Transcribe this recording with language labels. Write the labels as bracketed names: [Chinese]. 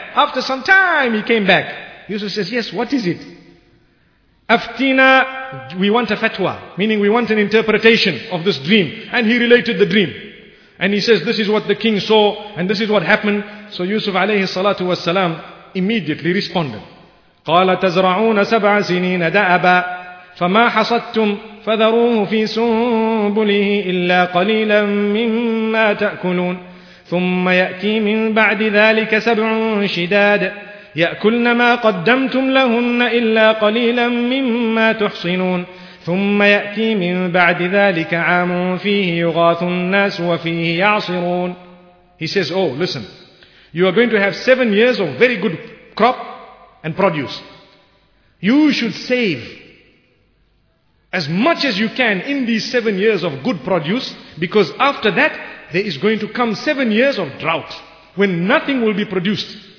[English] After some time he came back. Yusuf says, yes, what is it? Aftina, we want a fatwa, meaning we want an interpretation of this dream. And he related the dream. And he says, this is what the king saw, and this is what happened. So Yusuf alayhi salatu was salam immediately responded. [Arabic] قَالَ تَزْرَعُونَ سَبْعَ سِنِينَ دَأَبًا فَمَا حَصَدْتُمْ فَذَرُوهُ فِي سُنْبُلِهِ إِلَّا قَلِيلًا مِّمَّا تَأْكُلُونَ ثُمَّ يَأْتِي مِن بَعْدِ ذَلِكَ سَبْعٌ شِدَادٌ يأكلن ما قدمتم لهن إلا قليلا مما تحصنون ثم يأتي من بعد ذلك عام فيه يغاث الناس وفيه يعصرون. [English] He says, oh listen, you are going to have 7 years of very good crop and produce. You should save as much as you can in these 7 years of good produce, because after that there is going to come 7 years of drought when nothing will be produced.